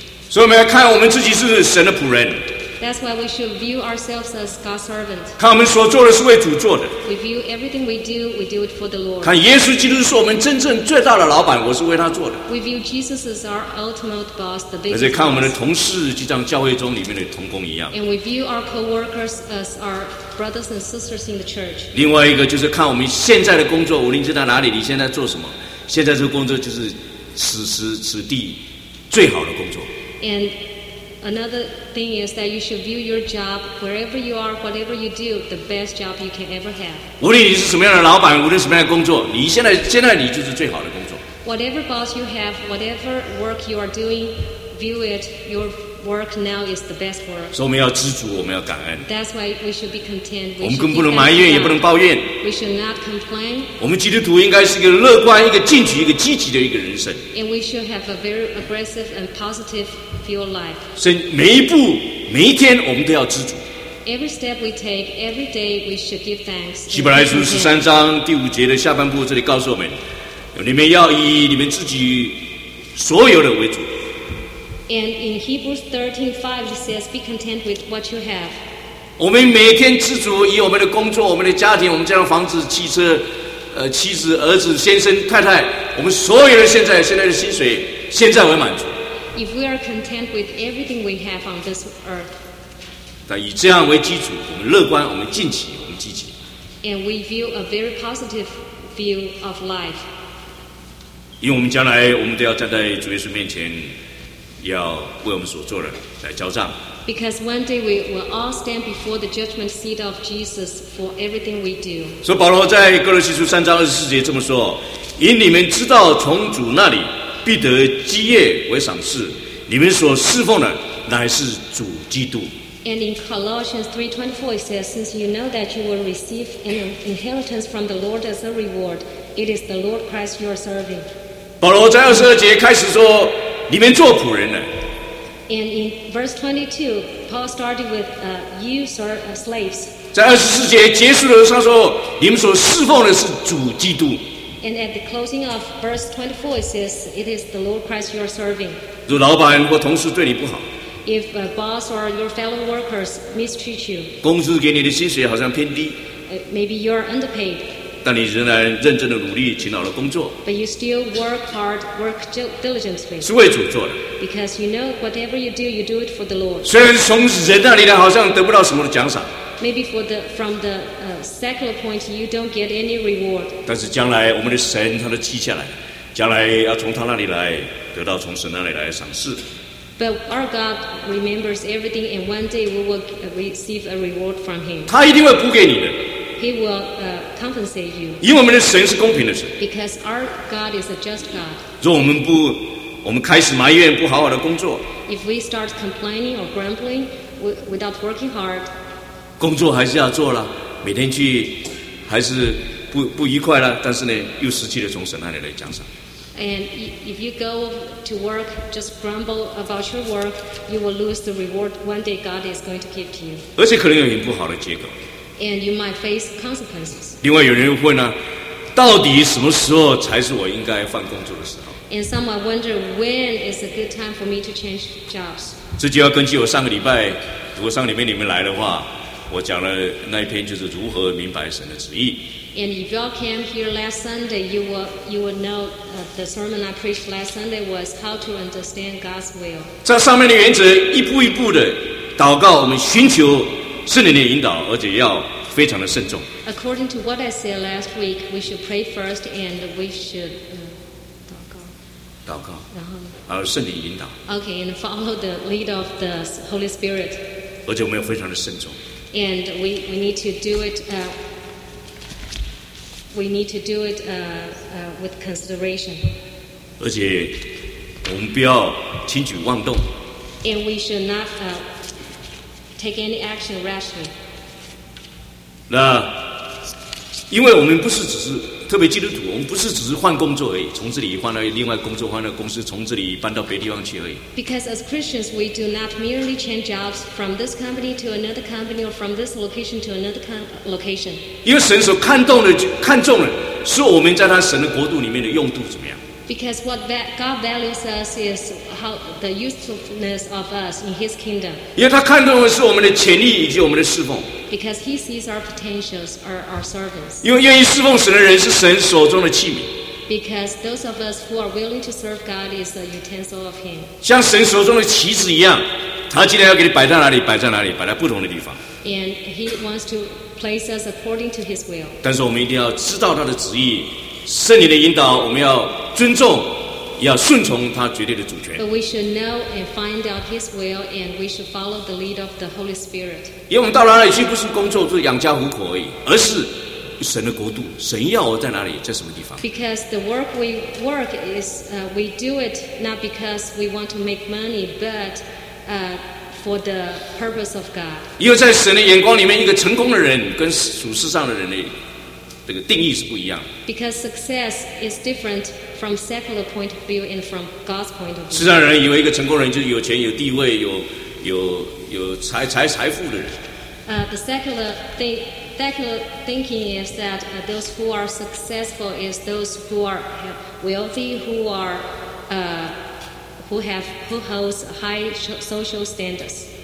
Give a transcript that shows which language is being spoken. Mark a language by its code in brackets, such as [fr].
[en] So we [zh] 要看我们自己是神的仆人。 [en] That's why we should view ourselves as God's servant. [zh] 看我们所做的是为主做的。 [en] We view everything we do it for the Lord. [zh] 看耶稣基督是我们真正最大的老板，我是为他做的。 [en] We view Jesus as our ultimate boss, the biggest. [zh] 而且看我们的同事，就像教会中里面的同工一样。 [en] And we view our co-workers as our brothers and sisters in the church. [zh] 另外一个就是看我们现在的工作，无论在哪里，你现在做什么，现在这个工作就是此时此地最好的工作。 [en] And Another thing is that you should view your job wherever you are, whatever you do, the best job you can ever have. [zh] 无论你是什么样的老板，无论什么样的工作，你现在你就是最好的工作。 [en] Whatever boss you have, whatever work you are doing, view it. Your work now is the best work. [zh] 所以我们要知足，我们要感恩。 [en] That's why we should be content. [zh] 我们更不能埋怨，也不能抱怨。 [en] We should not complain. [zh] 我们基督徒应该是一个乐观、一个进取、一个积极的一个人生。 [en] And we should have a very aggressive and positive. Life. [zh] 所以每一步每一天我们都要知足 [en] every step we take, every day we should give thanks. [zh] 希伯来书十三章第五节的下半部这里告诉我们你们要以你们自己所有的为主 [en] and in Hebrews 13:5 it says be content with what you have [zh] 我们每天知足以我们的工作我们的家庭我们家的房子汽车妻子儿子先生太太我们所有的现在的薪水现在为满足 [en] If we are content with everything we have on this earth, [zh] 但以这样为基础，我们乐观，我们进取，我们积极。 [en] And we view a very positive view of life. [zh] 因为我们将来，我们都要站在主耶稣面前，要为我们所做的来交账。 [en] Because one day we will all stand before the judgment seat of Jesus for everything we do. [zh] 所以保罗在哥罗西书三章二十四节这么说：因你们知道从主那里。必得基业为赏赐，你们所侍奉的乃是主基督。 [en] And in Colossians 3:24 it says, since you know that you will receive an inheritance from the Lord as a reward, It is the Lord Christ you are serving. [zh] 保罗在二十二节开始说，你们做仆人了。 [en] And in verse 22, Paul started with, you serve as slaves. [zh] 在二十四节结束的时候说，你们所侍奉的是主基督。 [en] And at the closing of verse 24, it says, it is the Lord Christ you are serving. [zh] 如老板或同事对你不好。 [en] If a boss or your fellow workers mistreat you, [zh] 公司给你的薪水好像偏低。 [en] Maybe you're underpaid. [zh] 但你仍然认真的努力勤劳的工作。 [en] But you still work hard, work diligently. [zh] 是为主做的。 [en] Because you know whatever you do, you do it for the Lord. [zh] 虽然从人那里呢，好像得不到什么的奖赏。 [en] Maybe for the, from the secular point, you don't get any reward. [zh] 但是将来我们的神他都记下来，将来要从他那里来得到从神那里来的赏赐。 [en] But our God remembers everything, and one day we will receive a reward from Him. [zh] 他一定会补给你的。 [en] He will compensate you. [zh] 因为我们的神是公平的神。 [en] Because our God is a just God. [zh] 如果我们开始埋怨不好好的工作。 [en] If we start complaining or grumbling without working hard, [zh] 工作还是要做了，每天去还是不愉快了，但是呢，又失去了从神那里的奖赏。 [en] And if you go to work, just grumble about your work, you will lose the reward one day God is going to give to you. [zh] 而且可能有很不好的结果。 [en] And you might face consequences. [zh] 另外有人问呢，到底什么时候才是我应该换工作的时候？ [en] And some might wonder when is a good time for me to change jobs. [zh] 这就要根据我上个礼拜，如果上个礼拜你们来的话，我讲了那一篇就是如何明白神的旨意。 [en] And if you all came here last Sunday, you will know the sermon I preached last Sunday was how to understand God's will. [zh] 在上面的原则，一步一步的祷告，我们寻求圣灵的引导，而且要非常的慎重。 [en] According to what I said last week, we should pray first and we should [zh] 祷告。祷告。然后。还有圣灵引导。 [en] Okay, and follow the lead of the Holy Spirit. [zh] 而且我们要非常的慎重。 [en] And we need to do it. We need to do it with consideration. [zh] 而且我们不要轻举妄动。 [en] And we should not take any action rashly. [zh] 那因为我们不是只是特别基督徒，我们不是只是换工作而已，从这里换到另外工作，换到公司，从这里搬到别地方去而已。 [en] Because as Christians, we do not merely change jobs from this company to another company or from this location to another location. [zh] 因为神所看重的是我们在他神的国度里面的用度怎么样。 [en] Because what God values us is how the usefulness of us in His kingdom. [zh] 因为他看重的是我们的潜力以及我们的侍奉。 [en] Because He sees our potentials, our service. [zh] 因为愿意侍奉神的人是神手中的器皿。 [en] Because those of us who are willing to serve God is a utensil of Him. [zh] 像神手中的棋子一样，他今天要给你摆在哪里，摆在哪里，摆在不同的地方。 [en] And He wants to place us according to His will. [zh] 但是我们一定要知道他的旨意。圣灵的引导，我们要尊重，要顺从他绝对的主权。 [en] But we should know and find out His will, and we should follow the lead of the Holy Spirit. [zh] 因为我们到哪里去，不是工作，就是养家糊口而已，而是神的国度，神要我在哪里，在什么地方。 [en] Because the work we work is, we do it not because we want to make money, but, for the purpose of God. [zh] 因为在神的眼光里面，一个成功的人跟属世上的人呢。这个定义是不一样的。 [en] Because success is different from secular point of view and from God's point of view. [zh] 世上人以为一个成功人就是有钱、有地位、有财富的人。 [en] The secular thinking is that those who are successful is those who are wealthy, who holds high social standards.